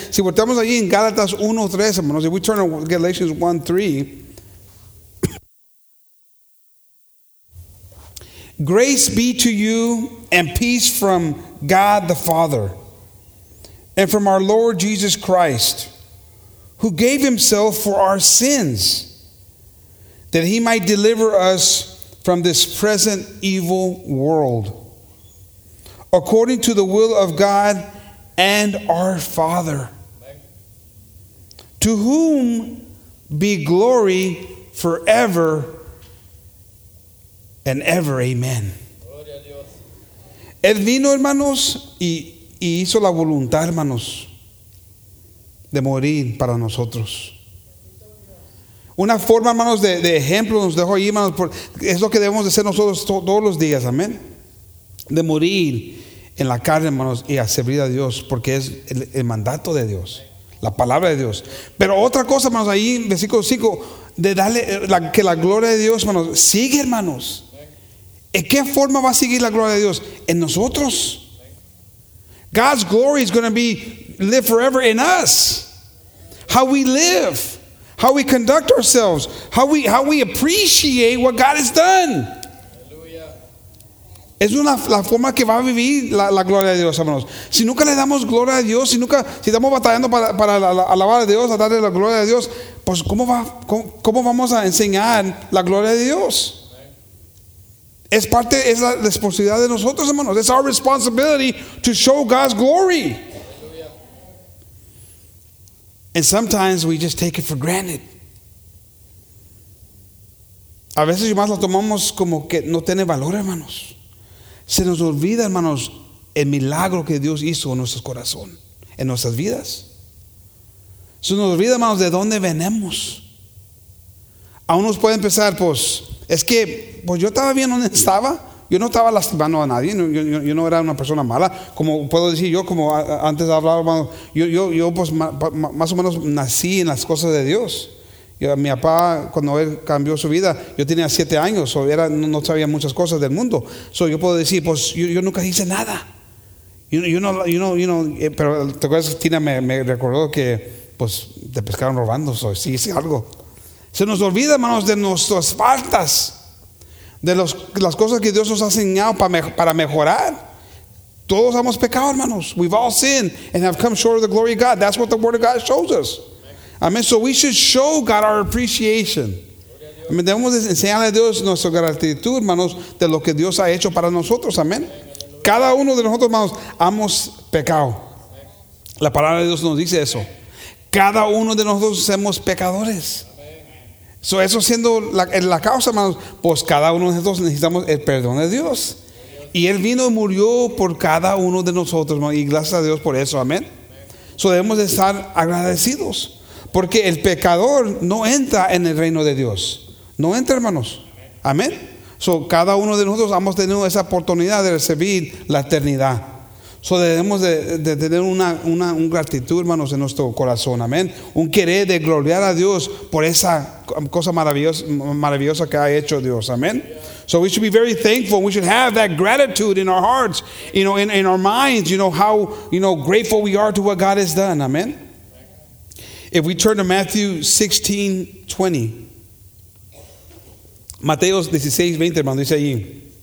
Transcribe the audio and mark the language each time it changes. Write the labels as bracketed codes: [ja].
[es] Si volteamos allí en Gálatas 1:3, hermanos, [en] if we turn to Galatians 1:3, grace be to you and peace from God the Father and from our Lord Jesus Christ, who gave himself for our sins, that he might deliver us from this present evil world, according to the will of God and our Father, to whom be glory forever and ever. Amen. [es] Él vino, hermanos, y hizo la voluntad, hermanos, de morir para nosotros. Una forma, hermanos, de ejemplo nos dejó ahí, hermanos, es lo que debemos de hacer nosotros todos los días, amén, de morir. en la carne, hermanos, y a servir a Dios, porque es el mandato de Dios, la palabra de Dios. Pero otra cosa, hermanos, ahí en versículo 5, de darle la, que la gloria de Dios, hermanos, sigue, hermanos. ¿En qué forma va a seguir la gloria de Dios? En nosotros. [en] God's glory is going to be live forever in us. How we live, how we conduct ourselves, how we appreciate what God has done. [es] Es una, la forma que va a vivir la, la gloria de Dios, hermanos. Si nunca le damos gloria a Dios, si nunca, si estamos batallando para alabar a Dios, a darle la gloria a Dios, pues ¿cómo, va, cómo, cómo vamos a enseñar la gloria de Dios? Es parte, es la responsabilidad de nosotros, hermanos. [en] It's our responsibility to show God's glory. And sometimes we just take it for granted. [es] A veces más lo tomamos como que no tiene valor, hermanos. Se nos olvida, hermanos, el milagro que Dios hizo en nuestro corazón, en nuestras vidas. Se nos olvida, hermanos, de dónde venimos. Aún nos puede empezar, pues, es que pues yo estaba bien donde estaba. Yo no estaba lastimando a nadie. Yo no era una persona mala. Como puedo decir yo, como antes hablaba, hermanos, yo pues más o menos nací en las cosas de Dios. Yo, mi papá, cuando él cambió su vida, yo tenía 7 años, so era, no sabía muchas cosas del mundo. So yo puedo decir, pues yo nunca hice nada. Pero te acuerdas, Tina me recordó que pues te pescaron robando, so sí hice algo. Se nos olvida, hermanos, de nuestras faltas, de los, las cosas que Dios nos ha enseñado para mejorar. Todos hemos pecado, hermanos. [en] We've all sinned and have come short of the glory of God. That's what the word of God shows us. Amen. So we should show God our appreciation. Amen. [es] Debemos enseñarle a Dios nuestra gratitud, hermanos, de lo que Dios ha hecho para nosotros. Amén. Cada uno de nosotros, hermanos, hemos pecado. La palabra de Dios nos dice eso. Cada uno de nosotros somos pecadores. So eso siendo la causa, hermanos, pues cada uno de nosotros necesitamos el perdón de Dios. Y Él vino y murió por cada uno de nosotros, hermanos, y gracias a Dios por eso. Amén. So debemos de estar agradecidos. Porque el pecador no entra en el reino de Dios. No entra, hermanos. Amén. So, cada uno de nosotros hemos tenido esa oportunidad de recibir la eternidad. So, debemos de tener una gratitud, hermanos, en nuestro corazón. Amén. Un querer de gloriar a Dios por esa cosa maravillosa que ha hecho Dios. [en] Amén. So we should be very thankful. We should have that gratitude in our hearts, you know, in our minds, you know, how, you know, grateful we are to what God has done. Amén. If we turn to Matthew 16:20, Mateo 16:20, [es] hermano, dice allí.